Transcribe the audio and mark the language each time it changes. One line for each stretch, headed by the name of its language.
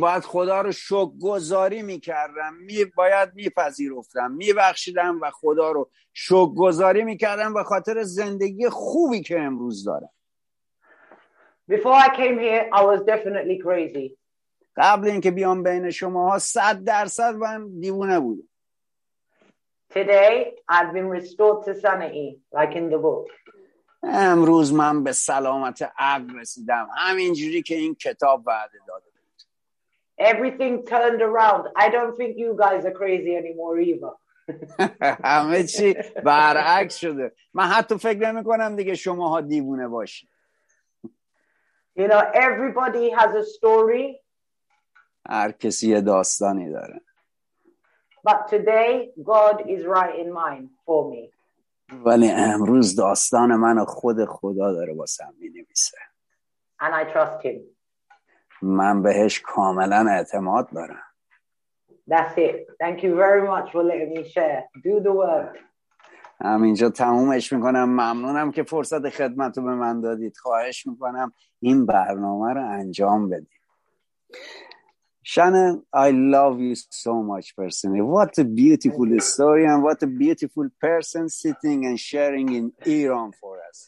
Persian: باید خدا رو شکرگزاری میکردم، باید میپذیرفتم، میبخشیدم و خدا رو شکرگزاری میکردم به خاطر زندگی خوبی که امروز دارم.
English: Before I came here I was definitely crazy.
Persian: قبل اینکه بیام بین شماها 100% من دیوونه بودم.
English: Today I've been restored to sanity like in the book.
Persian: امروز من به سلامت عقل رسیدم همین جوری که این کتاب وعده داده بود.
English: Everything turned around. I don't think you guys are crazy anymore either.
Persian: همه چی برعکس شده. من حتی فکر نمی کنم دیگه شماها دیوونه باشید.
English: You know everybody has a story.
Persian: هر کسی یه داستانی داره.
English: But today God is writing mine for me.
Persian: ولی امروز داستان منو خود خدا داره واسم می نویسه.
English: And I trust him.
Persian: من بهش کاملا اعتماد دارم.
English: That's it. Thank you very much for letting me share. Do the work.
Persian: همینجا تمومش میکنم. ممنونم که فرصت خدمت رو به من دادید. خواهش میکنم این برنامه رو انجام بدید.
English: Shannon, I love you so much personally. What a beautiful story and what a beautiful person sitting and sharing in Iran for us.